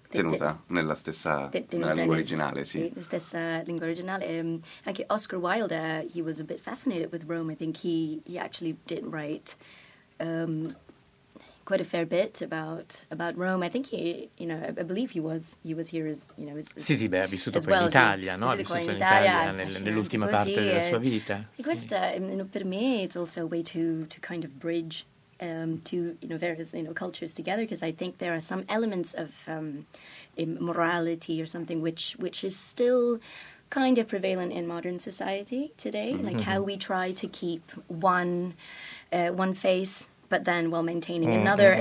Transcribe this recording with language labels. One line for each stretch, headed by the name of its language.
Italian: Tenuta nella stessa lingua originale, sì. La stessa lingua originale.
English: Anche Oscar Wilde, he was a bit fascinated with Rome. I think he actually did write quite a fair bit about Rome. I think he, you know, I believe he was here as, you know,
Italian: sì, beh, ha vissuto poi in Italia, no? Ha vissuto in Italia nell'ultima parte della sua vita. E questo, per me,
English: it's also a way to kind of bridge to, you know, various, you know, cultures together, because I think there are some elements of immorality or something which is still kind of prevalent in modern society today, mm-hmm. like how we try to keep one face, but then while maintaining another, mm-hmm.